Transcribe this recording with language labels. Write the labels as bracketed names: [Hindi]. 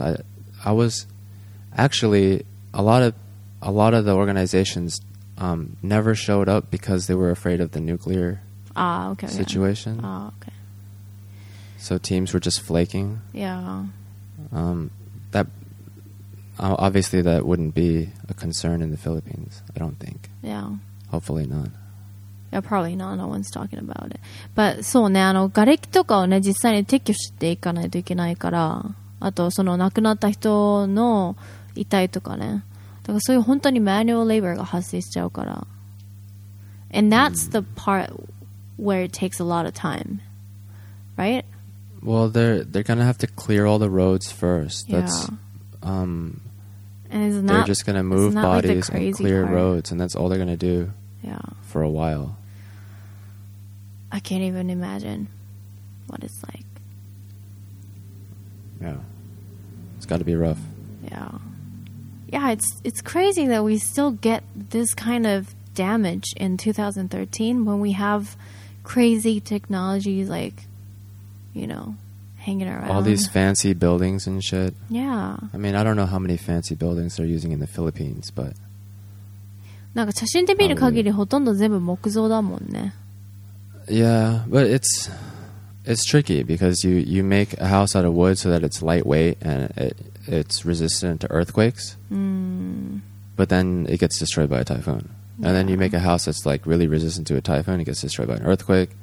[English] I was actually, a lot of the organizations never showed up because they were afraid of the nuclear situation. Yeah. Oh, okay. So teams were just flaking. Yeah. Obviously, that wouldn't be a concern in the Philippines, I don't think. Yeah. Hopefully not. Yeah, probably not. No one's talking about it. [Japanese] But そうね、あの、瓦礫とかをね、実際に撤去していかないといけないから、あと、その亡くなった人の遺体とかね。だからそういう本当にマニュアルレイバーが発生しちゃうから。 [English] And that's the part where it takes a lot of time, right? Well, they're going to have to clear all the roads first. That's, and isn't they're just going to move bodies like and clear roads, and that's all they're going to do for a while. I can't even imagine what it's like. Yeah. It's got to be rough. Yeah. Yeah, it's crazy that we still get this kind of damage in 2013 when we have crazy technologies like, you know, hanging around. All these fancy buildings and shit. Yeah. I mean, I don't know how many fancy buildings they're using in the Philippines, but... [Japanese] なんか写真で見る限りほとんど全部木造だもんね。 [English] Yeah, but it's tricky because you make a house out of wood so that it's lightweight and it's resistant to earthquakes. But then it gets destroyed by a typhoon. And then you make a house that's like really resistant to a typhoon, it gets destroyed by an earthquake.